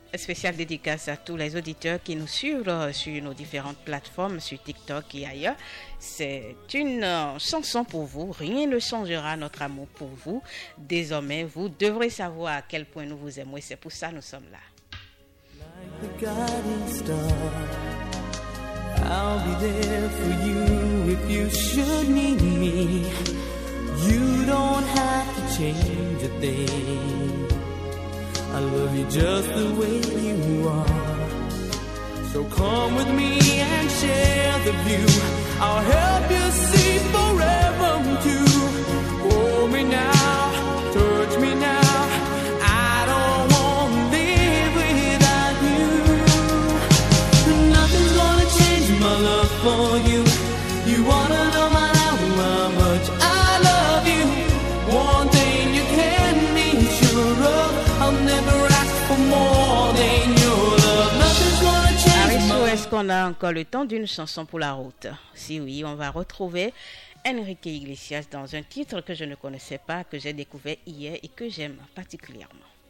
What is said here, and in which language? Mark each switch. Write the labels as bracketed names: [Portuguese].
[French] Spéciale dédicace à tous les auditeurs qui nous suivent sur nos différentes plateformes, sur TikTok et ailleurs. C'est une chanson pour vous. Rien ne changera notre amour pour vous. Désormais, vous devrez savoir à quel point nous vous aimons et c'est pour ça que nous sommes là. [English] Like the guiding star, I'll be there for you if you should need me. You don't have to change a thing. I love you just the way you are. So come with me and share the view. I'll help you see forever too. Hold me now, touch me now. I don't want to live without you. Nothing's gonna change my love for you. You wanna know my love, how much I love you. One thing you can be sure of, I'll never ask for more than your love. Nothing's gonna change my love. [French] Est-ce qu'on a encore le temps d'une chanson pour la route? Si oui, on va retrouver Enrique Iglesias dans un titre que je ne connaissais pas, que j'ai découvert hier et que j'aime particulièrement.